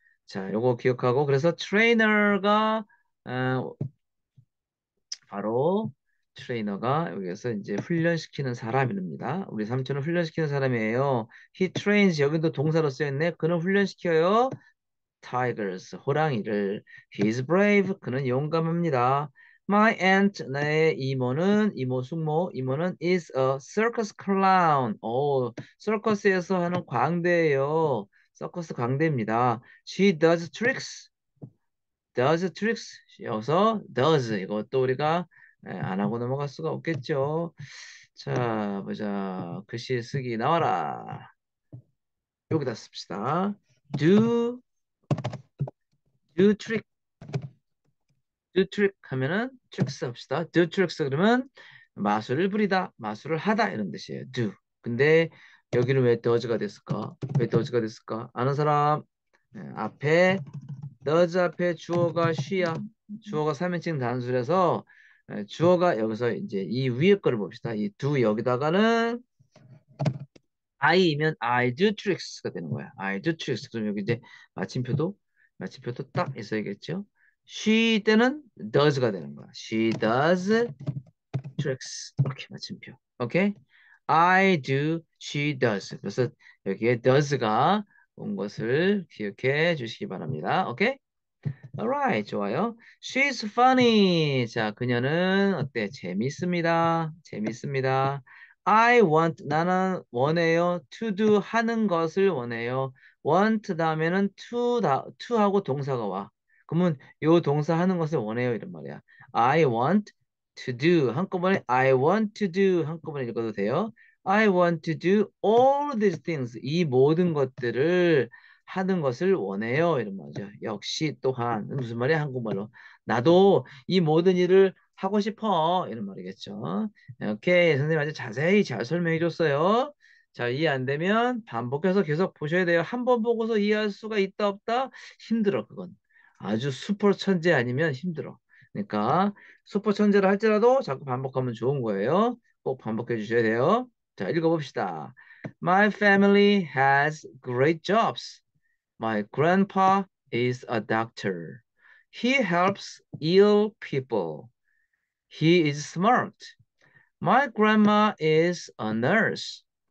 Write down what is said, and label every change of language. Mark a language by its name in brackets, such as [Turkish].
[Korean] 자, 요거 기억하고, 그래서 트레이너가 바로 트레이너가 여기서 이제 훈련시키는 사람입니다. 우리 삼촌은 훈련시키는 사람이에요. [English] He trains, [Korean] 여기도 동사로 쓰였네. 그는 훈련시켜요. [English] Tigers, [Korean] 호랑이를. [English] He's brave, [Korean] 그는 용감합니다. [English] My aunt, [Korean] 나의 이모는, 이모 숙모, 이모는 [English] is a circus clown. [Korean] 오, 서커스에서 하는 광대예요. 서커스 광대입니다. [English] She does tricks. Does tricks. [Korean] 여기서 does. 이것도 우리가 안 하고 넘어갈 수가 없겠죠. 자, 보자. 글씨 쓰기 나와라. 여기다 씁시다. [English] Do trick. Do trick [Korean] 하면은 [English] tricks [Korean] 합시다. Do tricks 그러면 마술을 부리다, 마술을 하다 이런 뜻이에요. [English] Do. [Korean] 근데 여기는 왜 does가 됐을까? 왜 does가 됐을까? 아는 사람? 앞에 does 앞에 주어가 she야. 주어가 3인칭 단수라서 주어가 여기서 이제 이 위에 거를 봅시다. 이 do 여기다가는 I이면 [English] I do tricks [Korean] 가 되는 거야. [English] I do tricks. [Korean] 그럼 여기 이제 마침표도 딱 있어야겠죠? She 때는 does가 되는 거야. [English] She does tricks. [Korean] 오케이, 마침표. 오케이. [English] I do, she does. [Korean] 그래서 여기에 does가 온 것을 기억해 주시기 바랍니다. 오케이? [English] Alright, 좋아요. She's funny. [Korean] 자, 그녀는 어때? 재밌습니다. 재밌습니다. [English] I want, [Korean] 나는 원해요. [English] To do, [Korean] 하는 것을 원해요. Want 다음에는 to 하고 동사가 와. 그러면 요 동사 하는 것을 원해요. 이런 말이야. [English] I want to do. [Korean] 한꺼번에 [English] I want to do. [Korean] 한꺼번에 읽어도 돼요. [English] I want to do all these things. [Korean] 이 모든 것들을 하는 것을 원해요. 이런 말이죠. 역시 또한 무슨 말이야? 한국말로. 나도 이 모든 일을 하고 싶어. 이런 말이겠죠. 오케이. 선생님 아주 자세히 잘 설명해 줬어요. 자, 이해 안 되면 반복해서 계속 보셔야 돼요. 한번 보고서 이해할 수가 있다 없다? 힘들어, 그건. 아주 슈퍼 천재 아니면 힘들어. 그러니까 슈퍼 천재를 할지라도 자꾸 반복하면 좋은 거예요. 꼭 반복해 주셔야 돼요. 자, 읽어봅시다. [English] My family has great jobs. My grandpa is a doctor. He helps ill people. He is smart. My grandma is a nurse.